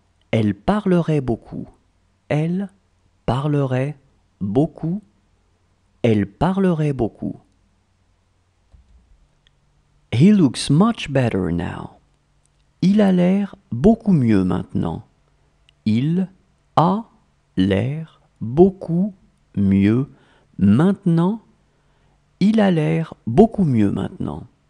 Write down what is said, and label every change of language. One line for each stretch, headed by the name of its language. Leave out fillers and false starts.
French: Elle parlerait beaucoup. Elle parlerait beaucoup. Elle parlerait beaucoup.
English: He looks much better now.
French: Il a l'air beaucoup mieux maintenant. Il a l'air beaucoup mieux maintenant. Il a l'air beaucoup mieux maintenant.